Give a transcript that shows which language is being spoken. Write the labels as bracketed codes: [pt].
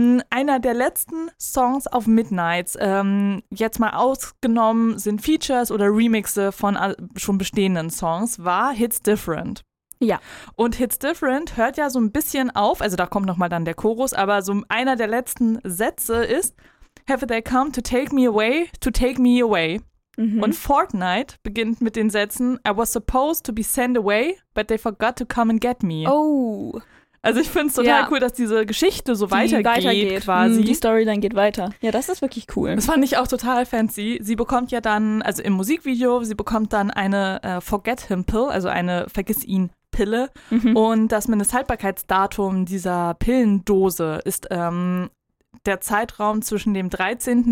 [de] einer der letzten Songs auf Midnights, jetzt mal ausgenommen, sind Features oder Remixe von schon bestehenden Songs, war Hits Different. Ja. Und Hits Different hört ja so ein bisschen auf, also da kommt nochmal dann der Chorus, aber so einer der letzten Sätze ist, [en] have they come to take me away, [de] to take me away. Mhm. [en] Und Fortnite beginnt mit den Sätzen, I was supposed to be sent away, but they forgot to come and get me. Oh. [de] Also ich finde es total cool, dass diese Geschichte so weitergeht quasi. Die Storyline geht weiter. Ja, das ist wirklich cool. Das fand ich auch total fancy. Sie bekommt ja dann, also im Musikvideo, sie bekommt dann eine Forget Him Pill, also eine Vergiss ihn Pille. Mhm. Und das Mindesthaltbarkeitsdatum dieser Pillendose ist, der Zeitraum zwischen dem 13.